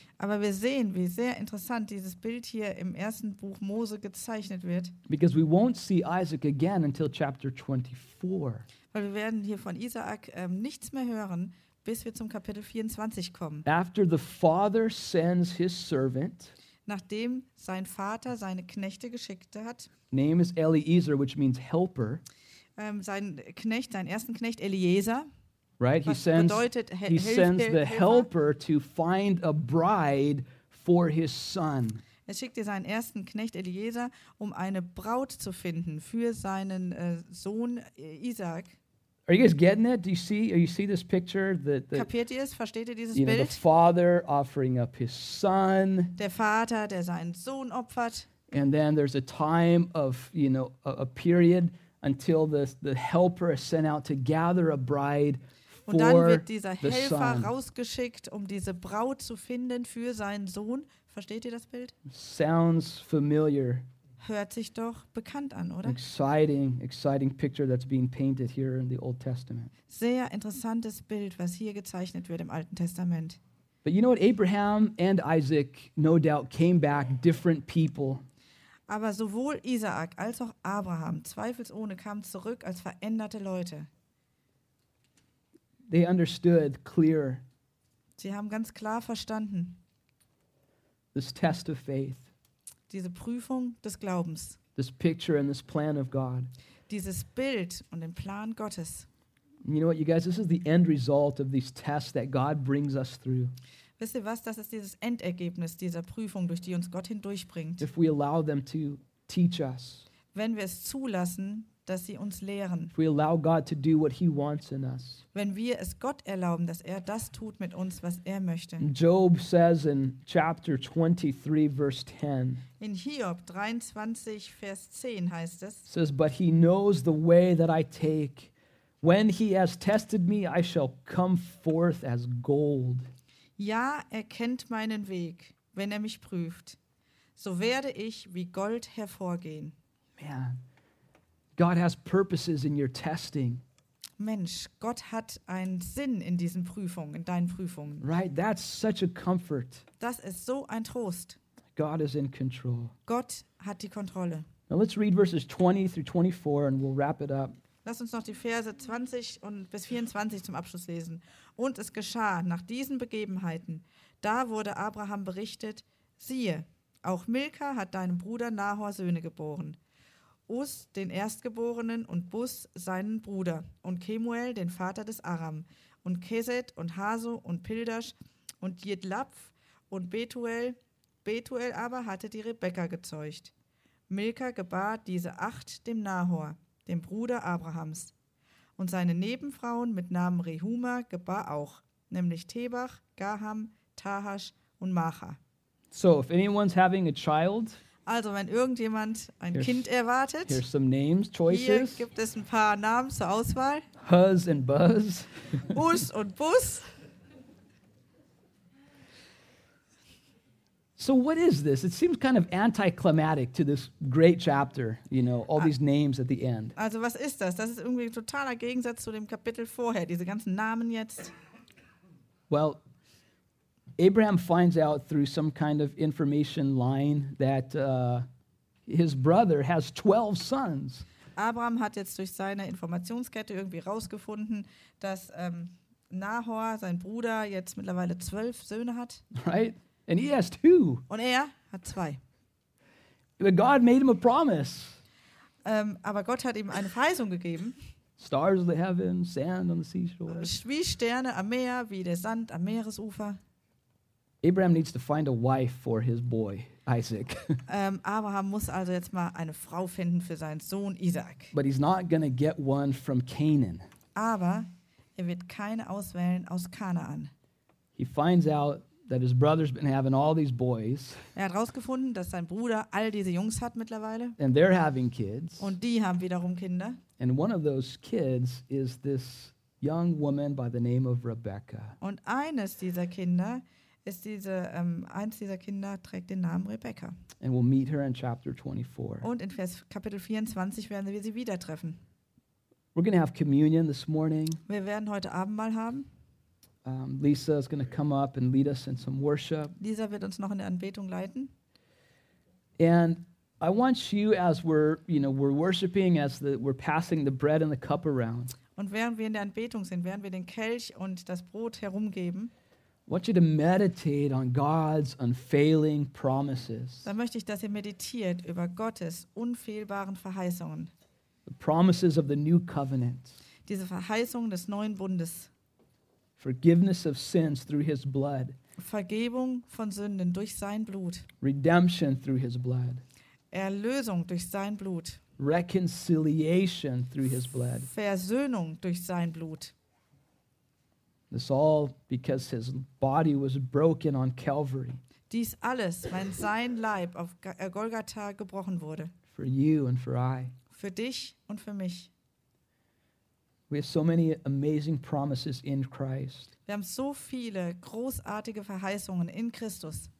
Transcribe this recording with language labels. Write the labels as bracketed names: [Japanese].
[German] Aber wir sehen, wie sehr interessant dieses Bild hier im ersten Buch Mose gezeichnet wird. [English] Because we won't see Isaac again until chapter 24. [German] Weil wir werden hier von Isaak nichts mehr hören, bis wir zum Kapitel 24 kommen. [English] After the father sends his servant, [German] nachdem sein Vater seine Knechte geschickt hat, [English] name is Eliezer, which means helper. [German] Sein ersten Knecht Eliezer, [English] right? He sends the helper to find a bride for his son. [German] Er schickt dir seinen ersten Knecht Eliezer, um eine Braut zu finden für seinen Sohn Isaac. [English] Are you guys getting it? Do you see this picture? [German] Kapiert ihr es? Versteht ihr dieses Bild? [English] The father offering up his son. [German] Der Vater, der seinen Sohn opfert. [English] And then there's a time of, you know, a period until the helper is sent out to gather a bride. [German] Und dann wird dieser Helfer rausgeschickt, um diese Braut zu finden für seinen Sohn. Versteht ihr das Bild? [English] Sounds familiar. [German] Hört sich doch bekannt an, oder? [English] Exciting picture that's being painted here in the Old Testament. [German] Sehr interessantes Bild, was hier gezeichnet wird im Alten Testament. [English] But you know what? Abraham and Isaac no doubt came back different people. [German] Aber sowohl Isaak als auch Abraham zweifelsohne kamen zurück als veränderte Leute. [English] They understood clear. [German] Sie haben ganz klar verstanden. [English] This test of faith. [German] Diese Prüfung des Glaubens. [English] This picture and this plan of God. [German] Dieses Bild und den Plan Gottes. [English] You know what, you guys, this is the end result of these tests that God brings us through. [German] Wisst ihr was, das ist dieses Endergebnis dieser Prüfung, durch die uns Gott hindurchbringt. [English] If we allow them to teach us. [German] Wenn wir es zulassen, dass sie uns lehren. [English] If we allow God to do what he wants in us. [German] Wenn wir es Gott erlauben, dass er das tut mit uns, was er möchte. [English] Job says in chapter 23 verse 10. [German] In Hiob 23 Vers 10 heißt es. [English] Says, but he knows the way that I take. When he has tested me, I shall come forth as gold. [German] Ja, er kennt meinen Weg, wenn er mich prüft. So werde ich wie Gold hervorgehen. [English] Man. God has purposes in your testing. [German] Mensch, Gott hat einen Sinn in diesen Prüfungen, in deinen Prüfungen. [English] Right, that's such a comfort. [German] Das ist so ein Trost. [English] God is in control. [German] Gott hat die Kontrolle. [English] Now let's read verses 20 through 24 and we'll wrap it up. [German] Lass uns noch die Verse 20 und bis 24 zum Abschluss lesen. Und es geschah nach diesen Begebenheiten, da wurde Abraham berichtet, siehe, auch Milka hat deinem Bruder Nahor Söhne geboren. Us, den Erstgeborenen, und Bus, seinen Bruder, und Kemuel, den Vater des Aram, und Keset, und Haso, und Pildasch, und Jidlapf, und Betuel. Betuel aber hatte die Rebekka gezeugt. Milka gebar diese acht dem Nahor, dem Bruder Abrahams. Und seine Nebenfrauen mit Namen Rehuma gebar auch, nämlich Tebach, Gaham, Tahash und Macha. [English] So, if anyone's having a child... [German] Also, wenn irgendjemand ein Kind erwartet, [English] here's some names, choices. [German] Hier gibt es ein paar Namen zur Auswahl. [English] Huzz and Buzz. [German] Us und Bus. [English] So what is this? It seems kind of anticlimactic to this great chapter, you know, all these names at the end. [German] Also, was ist das? Das ist irgendwie ein totaler Gegensatz zu dem Kapitel vorher, diese ganzen Namen jetzt. [English] Well, Abraham finds out through some kind of information line that his brother has 12 sons. [German] Abraham hat jetzt durch seine Informationskette irgendwie rausgefunden, dass Nahor, sein Bruder, jetzt mittlerweile 12 Söhne hat. [English] Right? And he has two. [German] Und er hat zwei. [English] But God made him a promise. [German] Aber Gott hat ihm eine Verheißung gegeben. [English] Stars of the heaven, sand on the seashore. [German] Wie Sterne am Meer, wie der Sand am Meeresufer. [English] Abraham needs to find a wife for his boy, Isaac. [German] Abraham muss also jetzt mal eine Frau finden für seinen Sohn Isaac. [English] But he's not going to get one from Canaan. [German] Aber er wird keine auswählen aus Kanaan. [English] He finds out that his brother's been having all these boys. [German] Er hat rausgefunden, dass sein Bruder all diese Jungs hat mittlerweile. [English] And they're having kids. [German] Und die haben wiederum Kinder. [English] And one of those kids is this young woman by the name of Rebecca. [German] Und eines dieser Kinder ist diese, eins dieser Kinder trägt den Namen Rebecca. [English] And we'll meet her in chapter 24. [German] Und in Vers Kapitel 24 werden wir sie wieder treffen. [English] We're going to have communion this morning. [German] Wir werden heute Abendmahl haben. [English] Lisa is going to come up and lead us in some worship. [German] Lisa wird uns noch in der Anbetung leiten. [English] And I want you, as we're, you know, we're worshiping, as the, we're passing the bread and the cup around. [German] Und während wir in der Anbetung sind, während wir den Kelch und das Brot herumgeben, [English] I want you to meditate on God's unfailing promises. [German] Dann möchte ich, dass ihr meditiert über Gottes unfehlbaren Verheißungen. [English] The promises of the new covenant. [German] Diese Verheißung des neuen Bundes. [English] Forgiveness of sins through his blood. [German] Vergebung von Sünden durch sein Blut. [English] Redemption through his blood. [German] Erlösung durch sein Blut. [English] Reconciliation through his blood. [German] Versöhnung durch sein Blut. [English] This all because his body was broken on Calvary. [German] Dies alles, weil sein Leib auf Golgatha gebrochen wurde. [English] For you and for I. [German] Für dich und für mich. [English] We have so many amazing promises in Christ. [German] Wir haben so viele großartige Verheißungen in Christus.